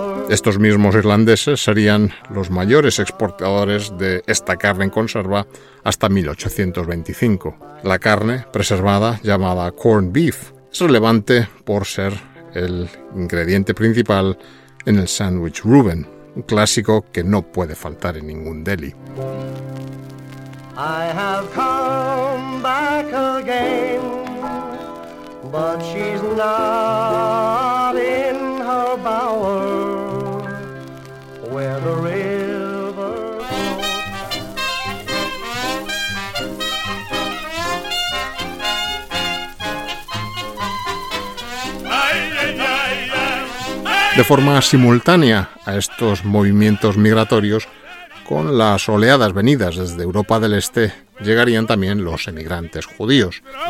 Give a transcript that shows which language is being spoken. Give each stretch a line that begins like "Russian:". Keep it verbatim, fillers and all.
Spanish: Estos mismos irlandeses serían los mayores exportadores de esta carne en conserva hasta mil ochocientos veinticinco. La carne preservada, llamada corned beef, es relevante por ser el ingrediente principal en el sándwich Reuben, un clásico que no puede faltar en ningún deli.
English: I have come back again, but she's not in her bower, where the river flows.
Spanish: De forma simultánea a estos movimientos migratorios, con las oleadas venidas desde Europa del Este, llegarían también los emigrantes judíos.